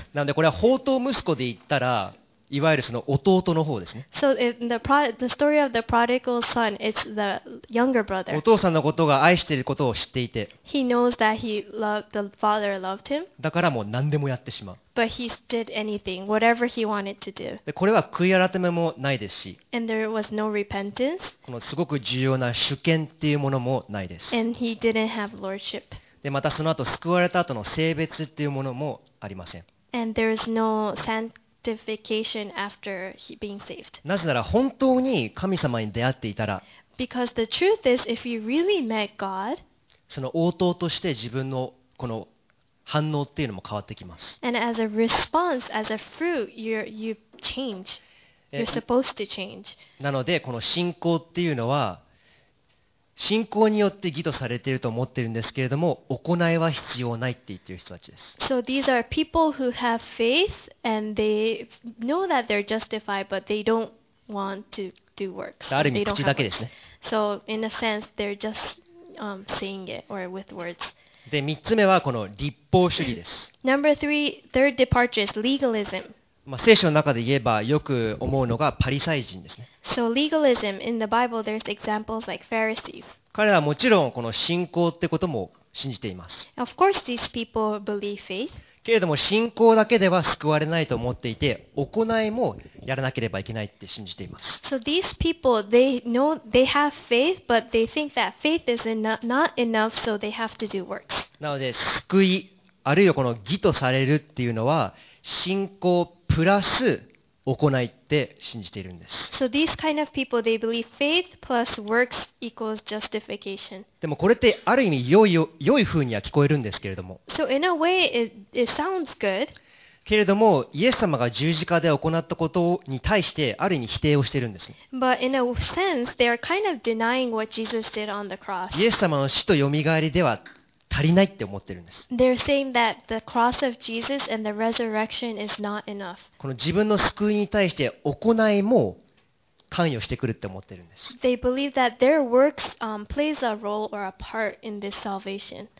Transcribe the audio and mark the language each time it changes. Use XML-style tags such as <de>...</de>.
<ja>なのでこれは放蕩息子で言ったらいわゆるその弟の方ですね。</ja> <en>So the story of the prodigal son, it's the younger brother.</en> <ja>お父さんのことが愛していることを知っていて。</ja> <en>He knows that he loved the father loved him.</en> <ja>だからもう何でもやってしまう。</ja> <en>But he did anything, whatever he wanted to do.</en> <ja>でこれは悔い改めもないですし。</ja> <en>And there was no repentance.</en> <ja>このすごく重要な主権っていうものもないです。</ja> <en>And he didn't have lordship.</en> <ja>でまたその後救われた後の性別っていうものもありません。</ja> <en>And there is no sanctification after being saved.</en> <ja>なぜなら本当に神様に出会っていたら、</ja> <en>Because the truth is, if you really met God,</en> <ja>その応答として自分のこの反応っていうのも変わってきます。</ja> <en>And as a response, as a fruit, you change. You're supposed to change.</en> <ja>なのでこの信仰っていうのは、信仰によって義とされていると思っているんですけれども、行いは必要ないって言っている人たちです。</ja> <en>So these are people who have faith and they know that they're justified, but they don't want to do works.</en> <ja>ある意味口だけですね。</ja> <en>So in a sense, they're just saying it or with words.</en> <ja>で、三つ目はこの立法主義です。</ja> <en>Number three, third departure is legalism.</en> <ja>まあ、聖書の中で言えばよく思うのがパリサイ人ですね。</ja> <en>So legalism in the Bible, there's examples like Pharisees.</en> <ja>彼らはもちろんこの信仰ってことも信じています。</ja> <en>Of course, these people believe faith.</en> <ja>けれども信仰だけでは救われないと思っていて、行いもやらなければいけないって信じています。</ja> <en>So these people, they know they have faith, but they think that faith is not enough, so they have to do works.</en> <ja>なので救いあるいはこの義とされるっていうのは信仰プラス行いって信じているんです。</ja> <en>So these kind of people, they believe faith plus works equals justification.</en> <ja>でもこれってある意味良い風には聞こえるんですけれども。</ja> <en>So in a way, it sounds good.</en> <ja>けれども、イエス様が十字架で行ったことに対してある意味否定をしているんです。</ja> <en>But in a sense, they are kind of denying what Jesus did on the cross.</en> <ja>イエス様の死と蘇りでは足りないって思ってるんです。</ja> <en>They're saying that the cross of Jesus and the resurrection is not enough.</en> <ja>この自分の救いに対して行いも関与してくるって思ってるんです。</ja> <en>They believe that their works plays a role or a part in this salvation.</en>